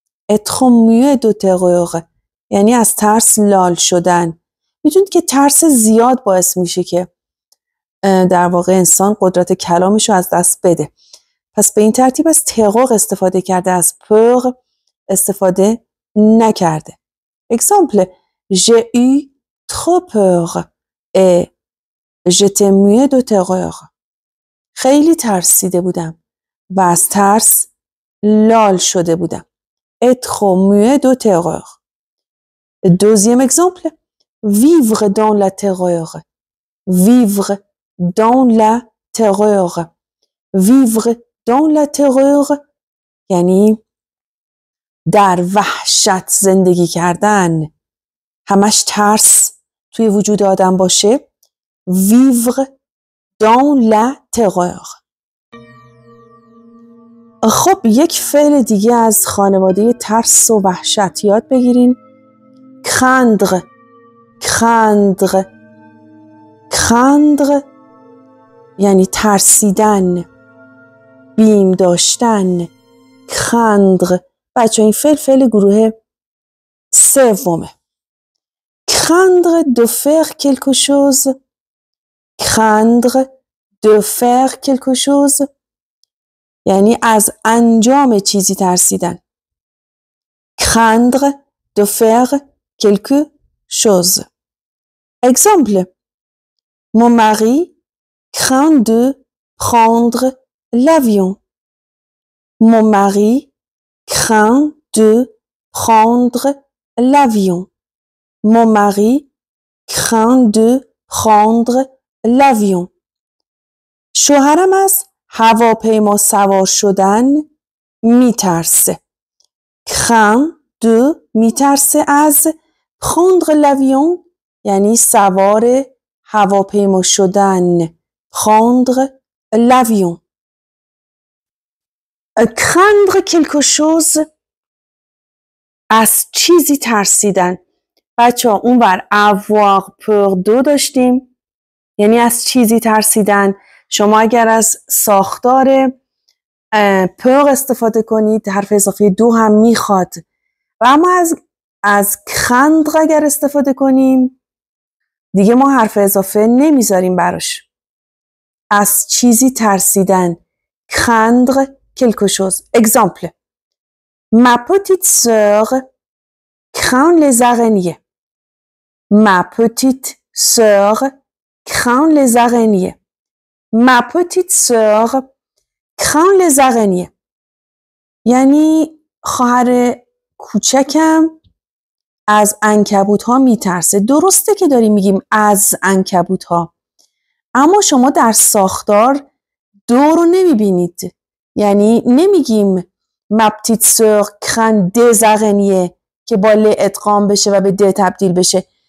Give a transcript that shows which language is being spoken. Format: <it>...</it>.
<fr>اترو میوه دو تروغ.</fr> <fa>یعنی از ترس لال شدن. میدونید که ترس زیاد باعث میشه که در واقع انسان قدرت کلامش رو از دست بده. پس به این ترتیب از تروغ استفاده کرده، از پر استفاده نکرده.</fa> <fr>اگزامپل: j'ai eu trop peur et j'étais muet de terreur.</fr> <fa>خیلی ترسیده بودم و از ترس لال شده بودم.</fa> <fr>être muet de terreur. دوزیم اگزامپل: vivre dans la terreur. vivre dans la terreur. vivre dans la terreur</fr> <fa>یعنی در وحشت زندگی کردن، همش ترس توی وجود آدم باشه.</fa> <fr>vivre dans la terreur.</fr> <fa>خب یک فعل دیگه از خانواده ترس و وحشت یاد بگیرین. craindre، craindre، craindre یعنی ترسیدن، بیم داشتن. craindre بچه این فعل، فعل گروه سومه.</fa> <fr>craindre de faire quelque chose. craindre de faire quelque chose</fr> <fa>یعنی از انجام چیزی ترسیدن.</fa> <fr>craindre de faire quelque chose. اگزامپل: mon mari craint de prendre l'avion. mon mari craint de prendre l'avion. mon mari craint de prendre l'avion.</fr> <fa>شوهرم از هواپیما سوار شدن میترسه. craint de میترسه از</fa> <fr>prendre l'avion</fr> <fa>یعنی سوار هواپیما شدن.</fa> <fr>prendre l'avion. craindre quelque chose</fr> <fa>از چیزی ترسیدن. بچه ها اون بر</fa> <fr>avoir peur de</fr> <fa>داشتیم، یعنی از چیزی ترسیدن. شما اگر از ساختار peur استفاده کنید، حرف اضافه دو هم میخواد. و اما از craindre اگر استفاده کنیم، دیگه ما حرف اضافه نمیذاریم براش. از چیزی ترسیدن.</fa> <fr>craindre quelque chose. Exemple: ma petite sœur craint les araignées. ma petite sœur craint les araignées. ma petite sœur craint les araignées.</fr> <fa>یعنی خواهر کوچکم از عنکبوت ها میترسه. درسته که داریم میگیم از عنکبوت ها، اما شما در ساختار دو رو نمیبینید. یعنی نمیگیم</fa> <fr>مپتیت سر کن ده زغنیه</fr> <fa>که با ل ادغام بشه و به ده تبدیل بشه.</fa>